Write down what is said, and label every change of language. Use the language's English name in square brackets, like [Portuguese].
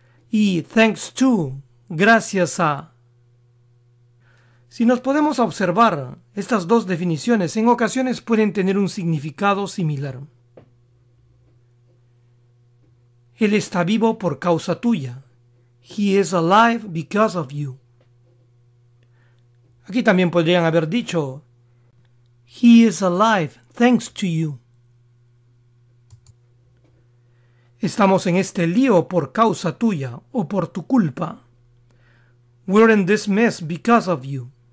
[Spanish] Y thanks to, gracias a. Si nos podemos observar, estas dos definiciones en ocasiones pueden tener un significado similar. Él está vivo por causa tuya. [English] He is alive because of you. [Spanish] Aquí también podrían haber dicho [English] he is alive thanks to you. [Spanish] Estamos en este lío por causa tuya o por tu culpa. [English] We're in this mess because of you.